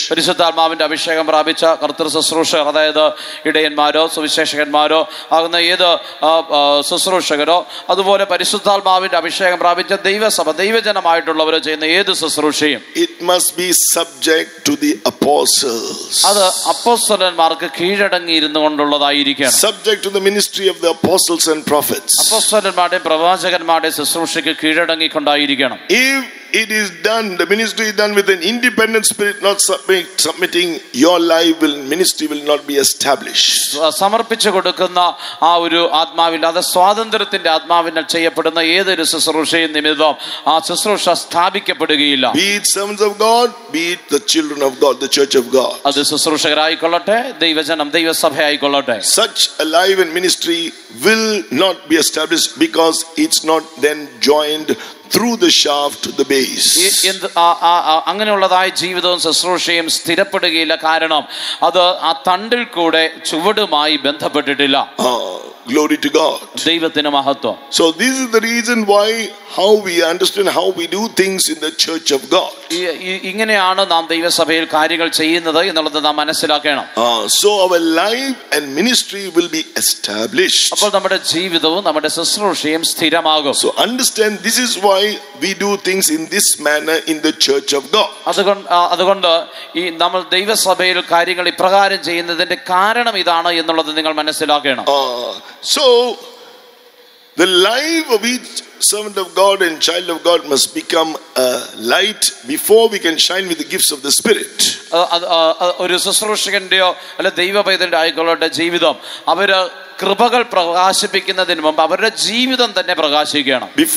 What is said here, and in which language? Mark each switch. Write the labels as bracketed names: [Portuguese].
[Malayalam] പരിശുദ്ധാത്മാവിന്റെ അഭിഷേകം പ്രാപിച്ച കർത്തൃ ശുശ്രൂഷകർ, അതായത് ഇടയന്മാരോ സുവിശേഷകന്മാരോ ആകുന്ന ഏത് ശുശ്രൂഷകരോ, അതുപോലെ പരിശുദ്ധാത്മാവിന്റെ അഭിഷേകം പ്രാപിച്ച ദൈവസഭ ദൈവജനമായിട്ടുള്ളവരോ ചെയ്യുന്ന ഏത് ശുശ്രൂഷയും, [English] it must be subject to the apostles, [Malayalam] അത് അപ്പോസ്തലന്മാർക്ക് കീഴടങ്ങിയിരുന്നു കൊണ്ടുള്ളതായിരിക്കണം. [English] Subject to the ministry of the apostles and prophets, [Malayalam] അപ്പോസ്തലന്മാരുടെ പ്രവാചകന്മാരുടെ ശുശ്രൂഷയ്ക്ക് കീഴടങ്ങിക്കൊണ്ടായിരിക്കണം. [English] If it is done, the ministry is done with an independent spirit, not submitting your life, will ministry will not be established. [Malayalam] സമർപ്പിച്ചു കൊടുക്കുന്ന ആ ഒരു ആത്മാവില്ലാതെ സ്വാതന്ത്ര്യത്തിന്റെ ആത്മാവിനാൽ ചെയ്യപ്പെടുന്ന ഏതൊരു ശുശ്രൂഷയും നിമിത്തം ആ ശുശ്രൂഷ സ്ഥാപിക്കപ്പെടുകയില്ല. [English] Be it servants of God, be it the children of God, the church of God. [Malayalam] അത് ശുശ്രൂഷകരായിക്കൊള്ളട്ടെ, ദൈവജനം, ദൈവസഭ ആയിക്കൊള്ളട്ടെ. [English] Such a life and ministry will not be established because it's not then joined through the shaft to the base. [Malayalam] അങ്ങനെ ഉള്ളതായി ജീവിതവും ശുശ്രൂഷയും സ്ഥിരപ്പെടുകയില്ല, കാരണം അത് ആ തണ്ടിൽ കൂടെ ചുവടുമായി ബന്ധപ്പെട്ടിട്ടില്ല. [English] Glory to God. [Malayalam] ദൈവത്തിന് മഹത്വം. [English] So this is the reason why how we understand how we do things in the church of God. [Malayalam] ഇങ്ങനെയാണ് നാം ദൈവസഭയിൽ കാര്യങ്ങൾ ചെയ്യുന്നത് എന്നുള്ളത് നാം മനസ്സിലാക്കണം. [English] So our life and ministry will be established. [Malayalam] അപ്പോൾ നമ്മുടെ ജീവിതവും നമ്മുടെ ശുശ്രൂഷയും സ്ഥിരമാകും. [English] So understand, this is why we do things in this manner in the church of God. [Malayalam] അതുകൊണ്ട് ഈ നമ്മൾ ദൈവസഭയിൽ കാര്യങ്ങൾ ഇപ്രകാരം ചെയ്യുന്നതിന്റെ കാരണം ഇതാണ് എന്നുള്ളത് നിങ്ങൾ മനസ്സിലാക്കണം. [English] So the life of each servant of God and child of God must become a light before we can shine with the gifts of the Spirit. [Malayalam] ഒരു ശുശ്രൂഷകന്റെയോ അല്ല ദൈവപൈതന്റെ ആയിക്കൊള്ളട്ടെ ജീവിതം അവര് കൃപകൾ പ്രകാശിപ്പിക്കുന്നതിന് മുമ്പ് അവരുടെ ജീവിതം തന്നെ പ്രകാശിക്കണം.